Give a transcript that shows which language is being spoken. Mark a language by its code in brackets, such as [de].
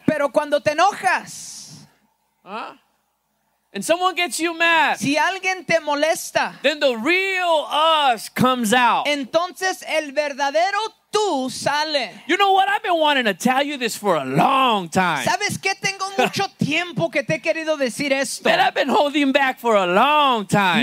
[es] Pero cuando te enojas. [en] Huh? And someone gets you mad. [es] Si alguien te molesta, [en] then the real us comes out. [es] Entonces el verdadero tú sale. [en] You know what? I've been wanting to tell you this for a long time. [es] ¿Sabes qué? Tengo mucho tiempo que te he querido decir esto. [en] That I've been holding back for a long time.